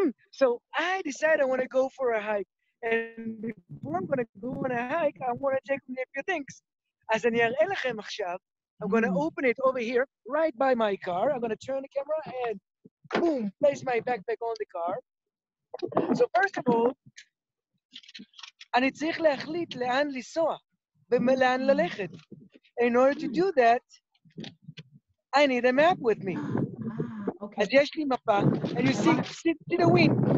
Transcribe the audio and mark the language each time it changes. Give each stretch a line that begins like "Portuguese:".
English: So, I decided I want to go for a hike. And before I'm going to go on a hike, I want to take a few things. As I
Hebrew: yareh lechem achshav,
English: I'm going to open it over here, right by my car. I'm going to turn the camera and, boom, place my backpack on the car. So, first of all,
Hebrew: אני צריך להחליט לאן לנסוע ולאן ללכת.
English: In order to do that, I need a map with me. Okay.
Hebrew: אז יש לי מפה,
English: and you see the wind.